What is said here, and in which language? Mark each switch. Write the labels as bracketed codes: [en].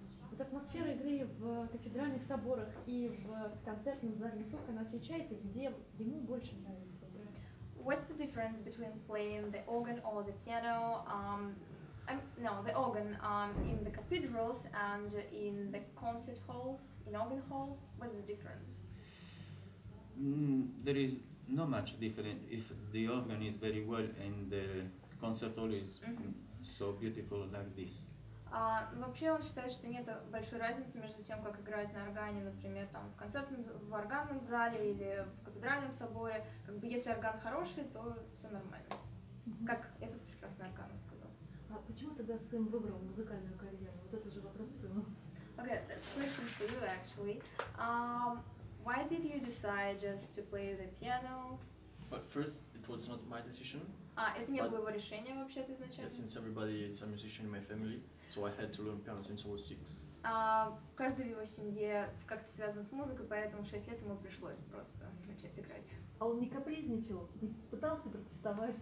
[ru] Вот атмосфера игры в кафедральных соборах и в концертном зале, насколько она отличается, где ему больше нравится? [en] What's the difference between playing the organ or the piano, in the cathedrals and in the concert halls, in organ halls? What's the difference? There is not much different if the organ is very well and the concert hall is so beautiful like this. [ru] Вообще он считает, что нет большой разницы между тем, как играть на органе, например, там, в органном зале или в кафедральном соборе. Как бы если орган хороший, то все нормально. Как этот прекрасный орган сказал. А почему тогда сын выбрал музыкальную карьеру? Вот это же вопрос сына. [en] Okay, that's a question for you actually. Why did you decide just to play the piano? But first, it was not my decision. [ru] Это не было его решение вообще-то изначально? [en] Yeah, since everybody is a musician in my family, so I had to learn piano since I was 6. [ru] Каждый в его семье как-то связан с музыкой, поэтому 6 лет ему пришлось просто начать играть. А он не капризничал? Не пытался протестовать?